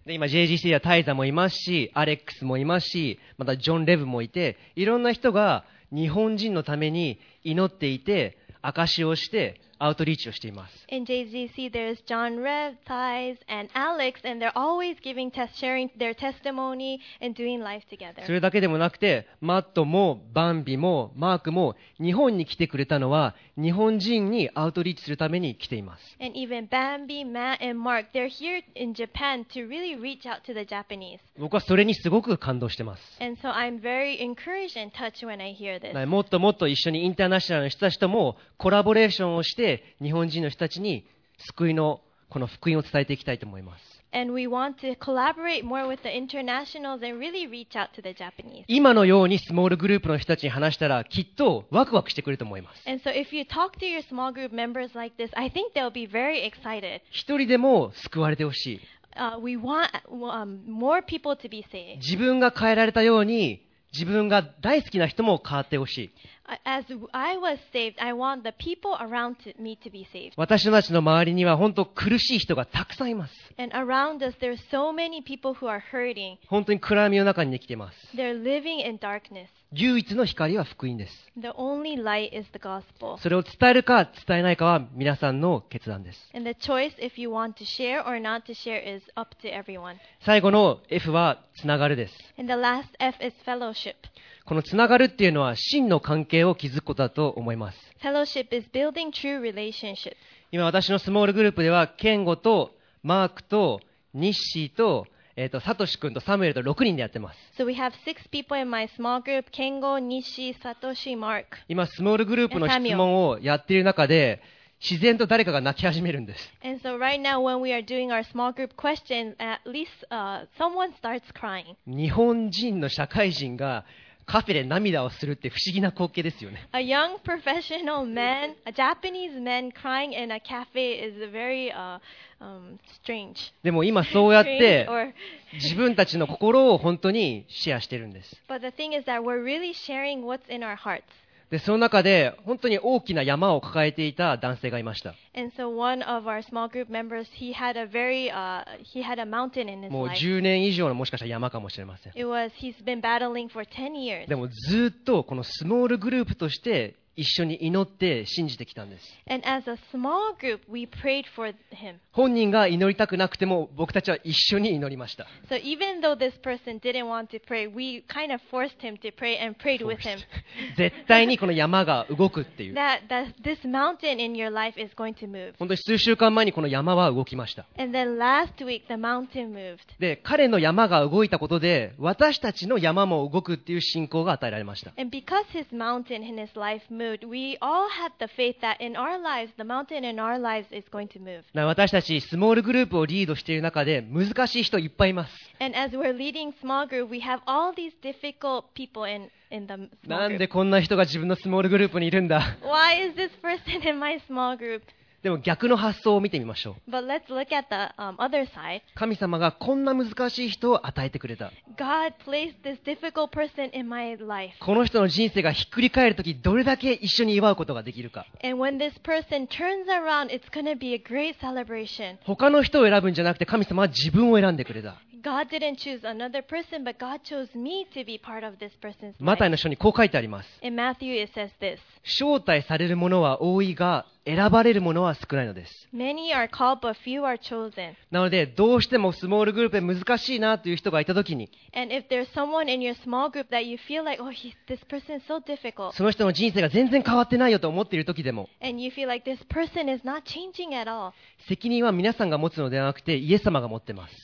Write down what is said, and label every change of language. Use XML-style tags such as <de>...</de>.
<ja>で今 JGC ではタイザもいますし、アレックスもいますし、またジョン・レブもいて、いろんな人が日本人のために祈っていて。証をしてアウトリーチをしています。</ja> <en>In JGC, there's John Rev, Thais, and Alex, and they're always giving test, sharing their testimony and doing life together.</en> <ja>それだけでもなくて、マットもバンビもマークも日本に来てくれたのは日本人にアウトリーチするために来ています。</ja> <en>And even Bambi, Matt, and Mark, they're here in Japan to really reach out to the Japanese.</en> <ja>僕はそれにすごく感動してます。</ja> <en>And so I'm very encouraged and touched when I hear this.</en> <ja>もっともっと一緒にインターナショナルの人たちともコラボレーションをして日本人の人たちに救いのこの福音を伝えていきたいと思います。</ja> <en>And we want to collaborate more with the internationals and really reach out to the Japanese.</en> <ja>今のようにスモールグループの人たちに話したらきっとワクワクしてくれると思います。</ja> <en>And so if you talk to your small group members like this, I think they'll be very excited.</en> <ja>一人でも救われてほしい。</ja> <en>We want more people to be saved.</en> <ja>自分が変えられたように自分が大好きな人も変わってほしい。</ja> <en>As I was saved, I want the people around me to be saved.</en> <ja>私たちの周りには本当苦しい人がたくさんいます。</ja> <en>And around us, there are so many people who are hurting.</en> <ja>本当に暗闇の中に生きています。</ja> <en>They're living in darkness.</en> <ja>唯一の光は福音です。</ja> <en>The only light is the gospel.</en> <ja>それを伝えるか伝えないかは皆さんの決断です。</ja> <en>And the choice if you want to share or not to share is up to everyone.</en> <ja>最後の F はつながるです。</ja> <en>And the last F is fellowship.</en> <ja>このつながるっていうのは真の関係を築くことだと思います。</ja> <en>Fellowship is building true relationships.</en> <ja>今私のスモールグループではケンゴとマークとニッシーとサトシ君とサムエルと6人でやってます。</ja> <en>So we have 6 people in my small group.</en> <ja>ケンゴ、ニッシー、サトシ、マーク。今スモールグループの質問をやっている中で自然と誰かが泣き始めるんです。</ja> <en>And so right now when we are doing our small group questions, at least someone starts crying.</en> <ja>日本人の社会人がカフェで涙をするって不思議な光景ですよね。</ja> <en>A young professional man, a Japanese man crying in a cafe is very strange.</en> <ja>でも今そうやって自分たちの心を本当にシェアしてるんです。</ja> <en>But the thing is that we're really sharing what's in our hearts.</en> <ja>でその中で本当に大きな山を抱えていた男性がいました。</ja> <en>And so one of our small group members, he had a very, he had a mountain in his life.</en> <ja>もう10年以上のもしかしたら山かもしれません。</ja> <en>It was, he's been battling for 10 years.</en> <ja>でもずっとこのスモールグループとして一緒に祈って信じてきたんです。</ja> <en>And as a small group, we prayed for him.</en> <ja>本人が祈りたくなくても僕たちは一緒に祈りました。</ja> <en>So even though this person didn't want to pray, we kind of forced him to pray and prayed with him.</en> <ja>絶対にこの山が動くっていう。</ja> <en>That this mountain in your life is going to move.</en> <ja>本当に数週間前にこの山は動きました。</ja> <en>And then last week, the mountain moved.</en> <ja>で、彼の山が動いたことで私たちの山も動くっていう信仰が与えられました。</ja> <en>And because his mountain in his life moved, moved. We all had the faith that in our lives, the mountain in our lives is going to move.</en> <ja>私たちスモールグループをリードしている中で難しい人いっぱいいます。</ja> <en>And as we're leading small group, we have all these difficult people in the small group.</en> <ja>なんでこんな人が自分のスモールグループにいるんだ。</ja> <en>Why is this person in my small group?</en> <ja>でも逆の発想を見てみましょう。</ja> <en>But let's look at the, other side.</en> <ja>神様がこんな難しい人を与えてくれた。</ja> <en>God placed this difficult person in my life.</en> <ja>この人の人生がひっくり返るときどれだけ一緒に祝うことができるか。</ja> <en>And when this person turns around, it's gonna be a great celebration.</en> <ja>他の人を選ぶんじゃなくて神様は自分を選んでくれた。</ja> <en>God didn't choose another person, but God chose me to be part of this person's life.</en> <ja>マタイの書にこう書いてあります。</ja> <en>In Matthew it says this.</en> <ja>招待されるものは多いが、選ばれるものは少ないのです。</ja> <en>Many are called, but few are chosen.</en> <ja>なので、どうしてもスモールグループで難しいなという人がいたときに、</ja> <en>And if there's someone in your small group that you feel like, oh, this person is so difficult.</en> <ja>その人の人生が全然変わってないよと思っているときでも、</ja> <en>And you feel like this person is not changing at all.</en> <ja>責任は皆さんが持つのではなくて、イエス様が持ってます。</ja>